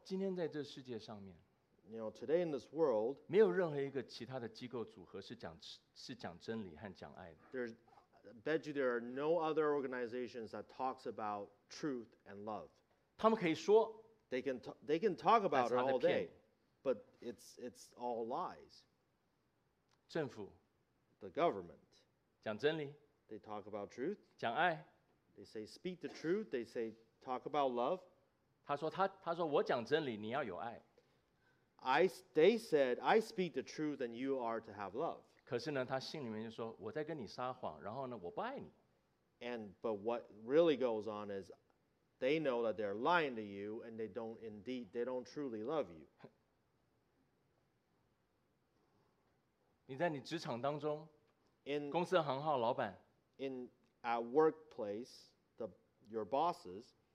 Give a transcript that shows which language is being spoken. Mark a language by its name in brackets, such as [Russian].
[Chinese] 今天在这世界上面， [English] you know, today in this world, [Chinese] 没有任何一个其他的机构组合是讲真理和讲爱的。 [English] There are no other organizations that talks about truth and love. [Chinese] 他们可以说， [English] they can talk about it all day, but it's all lies. [Chinese] 政府 [English] the government [Chinese] 讲真理 [English] they talk about truth [Chinese] 讲爱 [English] they say speak the truth they say talk about love [Chinese] 他说我讲真理, [English] I, they said, I speak the truth and you are to have love. [Chinese] 可是呢, 他心里面就说, 我在跟你撒谎, 然后呢, [English] and but what really goes on is they know that they're lying to you and they don't indeed, they don't truly love you. [Chinese] 你在你职场当中, [English] in, [Chinese] 公司的行号, 老板, [English] in our workplace, the, your bosses,